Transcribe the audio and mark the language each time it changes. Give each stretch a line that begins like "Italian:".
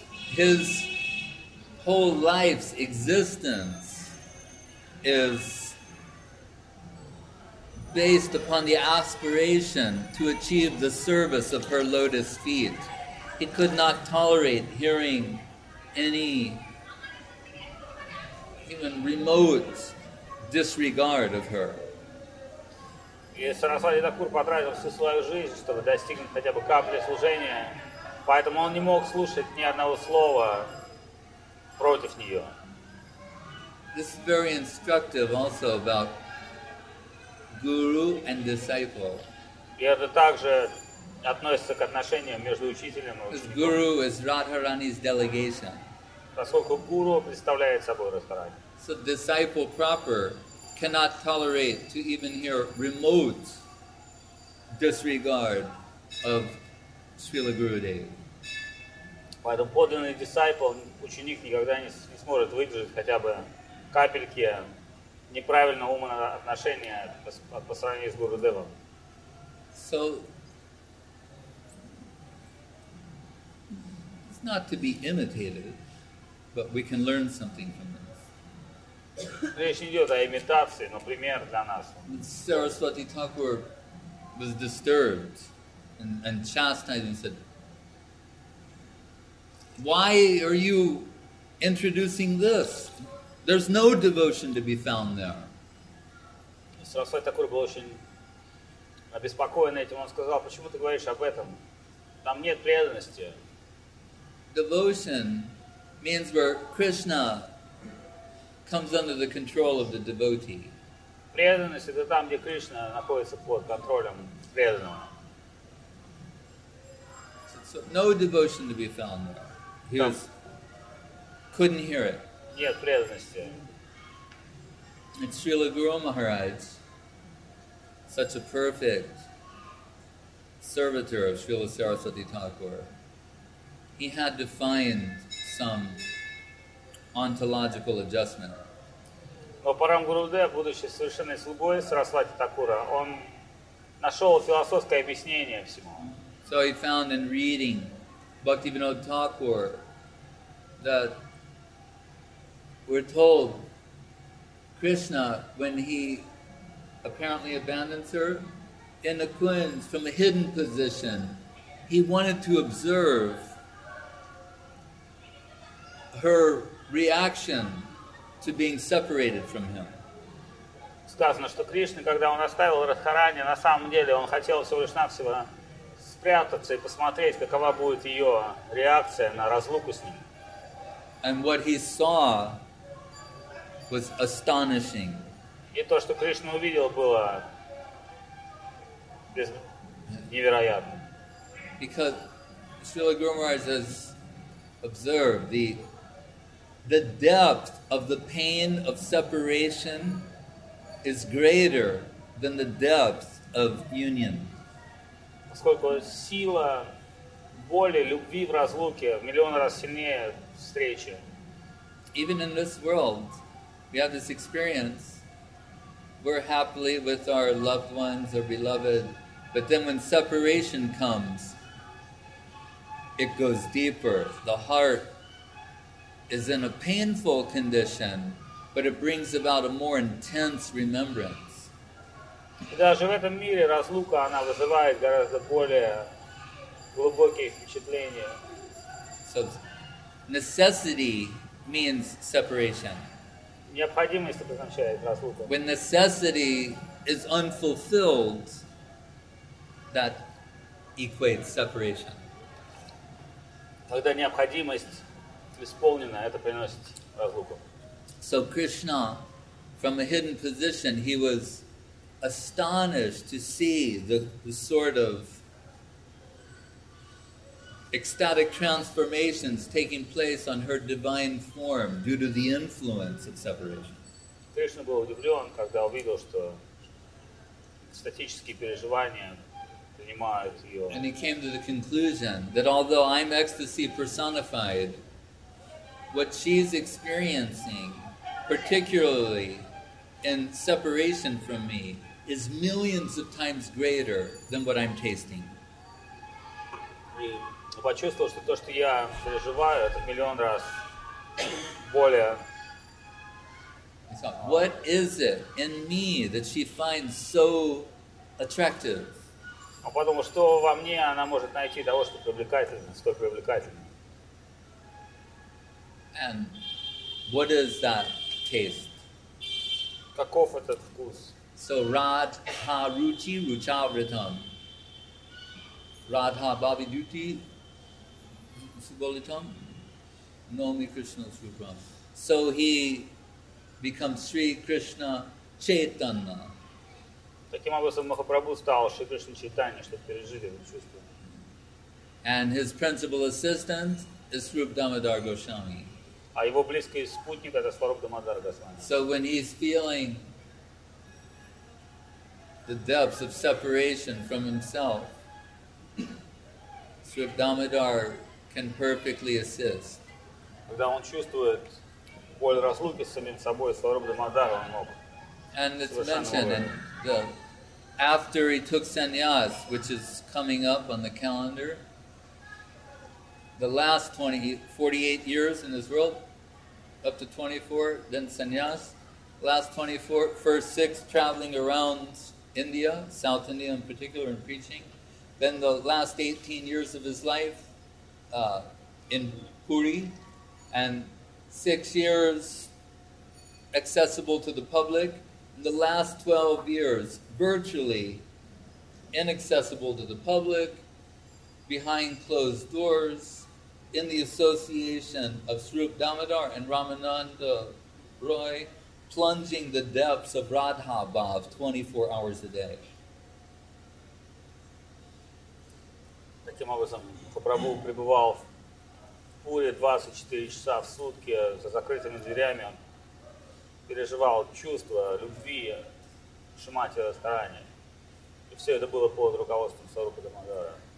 English: His whole life's existence is based upon the aspiration to achieve the service of her lotus feet. He could not tolerate hearing any even remote disregard of her.
Russian: И Сарасвати Такур потратил всю свою жизнь, чтобы достигнуть хотя бы капли служения, поэтому он не мог слушать ни одного слова против нее.
English: This is very instructive also about guru and disciple.
Russian: И это также относится к отношениям между учителем и учеником.
English: Guru is Radharani's delegation.
Russian: Поскольку гуру представляет собой Радхарани.
English: So disciple proper cannot tolerate to even hear remote disregard of Srila Gurudev.
Russian: Поэтому подлинный disciple, ученик, никогда не сможет выдержать хотя бы капельки неправильного умного отношения по сравнению с Гурудевом.
English: So, it's not to be imitated, but we can learn something from it.
Russian: Речь идет о имитации, но пример для нас.
English: Saraswati Thakur was disturbed and chastised and said, why are you introducing this? There's no devotion to be found there.
Russian: Saraswati Thakur был очень обеспокоен этим. Он сказал, почему ты говоришь об этом? Там нет преданности.
English: devotion means where Krishna comes under the control of the devotee.
Russian: Преданность — это там, где Кришна находится под контролем преданного.
English: So, no devotion to be found there. He was, couldn't hear it.
Russian: Нет преданности.
English: It's Srila Guru Maharaj, such a perfect servitor of Srila Saraswati Thakur. He had to find some ontological adjustment.
Russian: Но Парам Гурудев, будучи совершенной слугой Сарасвати Такура, он нашел философское объяснение всему.
English: So he found in reading Bhaktivinoda Thakur that we're told Krishna, when he apparently abandons her in the Kunj from a hidden position, he wanted to observe her reaction to being separated from him.
Russian: Сказано, что Кришна, когда он оставил Радхарани, на самом деле он хотел всего лишь навсего спрятаться и посмотреть, какова будет ее реакция на разлуку с ним.
English: And what he saw was astonishing.
Russian: И то, что Кришна увидел, было невероятно.
English: Because Srila Guru Maharaj has observed the depth of the pain of separation is greater than the depth of union.
Russian: Поскольку сила боли, любви в разлуке в миллион раз сильнее встречи.
English: Even in this world, we have this experience. We're happily with our loved ones, our beloved. But then when separation comes, it goes deeper. The heart is in a painful condition, but it brings about a more intense remembrance.
Russian: Даже в этом мире разлука, она вызывает гораздо более глубокие впечатления.
English: So, necessity means separation.
Russian: Необходимость означает разлука.
English: When necessity is unfulfilled, that equates separation.
Russian: Когда необходимость исполнено, это приносит разлуку.
English: So Krishna, from a hidden position, he was astonished to see the sort of ecstatic transformations taking place on her divine form due to the influence of separation.
Russian: Кришна был удивлен, когда увидел, что экстатические переживания принимают ее.
English: And he came to the conclusion that although I'm ecstasy personified, what she's experiencing, particularly in separation from me, is millions of times greater than what I'm tasting.
Russian: И почувствовал, что то, что я переживаю, это миллион раз более.
English: He thought, what is it in me that she finds so attractive?
Russian: А потом, что во мне она может найти того, что привлекательно, столь привлекательно?
English: And what is that taste?
Russian: Каков этот вкус?
Sanskrit: So Radha Ruchi Ruchavritam. Radha Bhavi Duti Subolitam. Nomi Krishna Supram.
English: So he becomes Sri Krishna Chaitanya.
Russian: Таким образом Махапрабху стал Шри Кришна Чайтанья, чтобы пережить это чувство.
English: And his principal assistant is Srup Damodar Goswami.
Russian: А его близкий спутник — это Сваруп Дамодар Госвами.
English: So when he's feeling the depths of separation from himself, Srup Damodar can perfectly assist.
Russian: Когда он чувствует боль разлуки с самим собой, Сваруп Дамодар, он мог.
English: And it's mentioned in the after he took sannyas, which is coming up on the calendar, the last 48 years in this world, up to 24, then sannyas. Last 24, first six traveling around India, South India in particular, and preaching. Then the last 18 years of his life in Puri, and 6 years accessible to the public. And the last 12 years virtually inaccessible to the public, behind closed doors, in the association of Swarup Damodar and Ramananda Roy, plunging the depths of Radha Bhav 24 hours a day.
Russian: Таким образом, Махапрабху пребывал в Пуре 24 часа в сутки за закрытыми дверями. Он переживал чувство любви к Шримати Радхарани. И все это было под руководством Сварупа Дамодара.